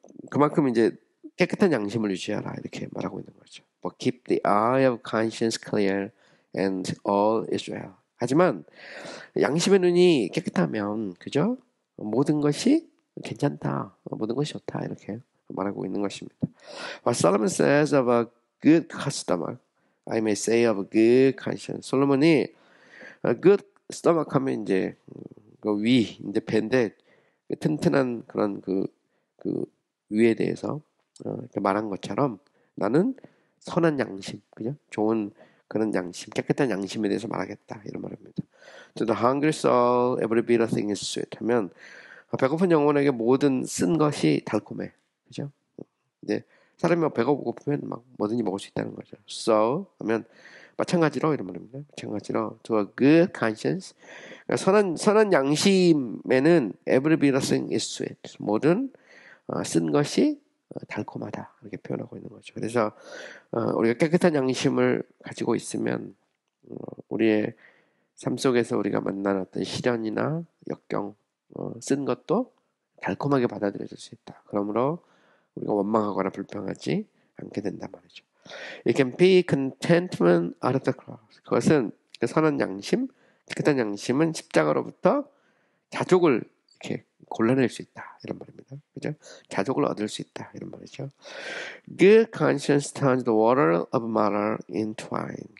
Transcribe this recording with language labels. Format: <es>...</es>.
<ko>그만큼 이제 깨끗한 양심을 유지하라 이렇게 말하고 있는 거죠.</ko> <en>But keep the eye of conscience clear and all is well.</en> <ko>하지만 양심의 눈이 깨끗하면 그죠? 모든 것이 괜찮다, 모든 것이 좋다 이렇게 말하고 있는 것입니다.</ko> <en>What Solomon says of a good customer, I may say of a good conscience.</en> <ko>솔로몬이</ko> <en>a good stomach</en> <ko>하면 이제 그 위인데 배인데 튼튼한 그런 그 위에 대해서 말한 것처럼 나는 선한 양심, 그죠? 좋은 그런 양심, 깨끗한 양심에 대해서 말하겠다 이런 말입니다.</ko> <en>To the hungry soul, every bitter thing is sweet.</en> <ko>하면 배고픈 영혼에게 모든 쓴 것이 달콤해, 그죠? 이제 사람이 배고프고 보면 막 뭐든지 먹을 수 있다는 거죠. So 하면 마찬가지로 이런 말입니다. 마찬가지로</ko> <en>to a good conscience,</en> <ko>선한 양심에는</ko> <en>every bitter thing is sweet.</en> <ko>모든 쓴 것이 달콤하다 이렇게 표현하고 있는 거죠. 그래서 우리가 깨끗한 양심을 가지고 있으면 우리의 삶 속에서 우리가 만난 어떤 시련이나 역경, 쓴 것도 달콤하게 받아들여질 수 있다. 그러므로 우리가 원망하거나 불평하지 않게 된단 말이죠.</ko> <en>It can be contentment out of the cross.</en> <ko>그것은 그 선한 양심, 깨끗한 양심은 십자가로부터 자족을 이렇게 골라낼 수 있다 이런 말입니다. 그죠? 자족을 얻을 수 있다 이런 말이죠.</ko> <en>Good conscience turns the water of matter into wine.</en>